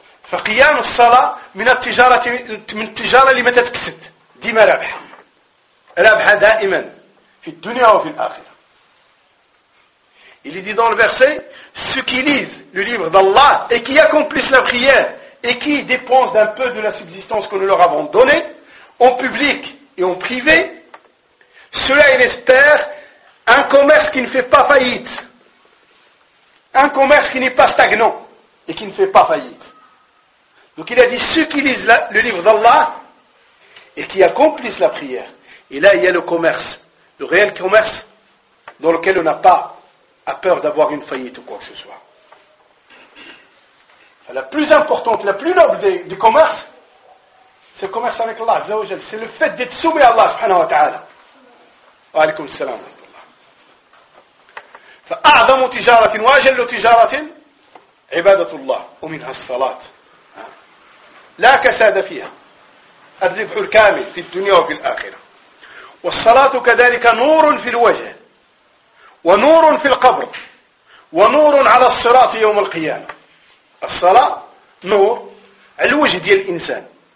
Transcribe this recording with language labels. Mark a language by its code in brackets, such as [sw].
[ar] فقيام الصلاة من التجارة، من التجارة اللي ما تتكسد، ديما رابحة. رابحة دائما في الدنيا وفي الآخرة. [fr] Il est dit dans le verset, ceux qui lisent le livre d'Allah et qui accomplissent la prière et qui dépensent d'un peu de la subsistance que nous leur avons donnée, en public et en privé, cela, il espère un commerce qui ne fait pas faillite. Un commerce qui n'est pas stagnant et qui ne fait pas faillite. Donc il a dit, ceux qui lisent le livre d'Allah et qui accomplissent la prière. Et là, il y a le commerce, le réel commerce dans lequel on n'a pas à peur d'avoir une faillite ou quoi que ce soit. La plus importante, la plus noble du commerce, c'est le commerce avec Allah, Azza wa Jal. C'est le fait d'être soumis à Allah, subhanahu wa ta'ala. [ar] Wa alaykum salam. فأعظم تجارة وأجل تجارة عبادة الله ومنها الصلاة لا كساد فيها الربح الكامل في الدنيا وفي الآخرة والصلاة كذلك نور في الوجه ونور في القبر ونور على الصراط يوم القيامة الصلاة نور على الوجه ديال الإنسان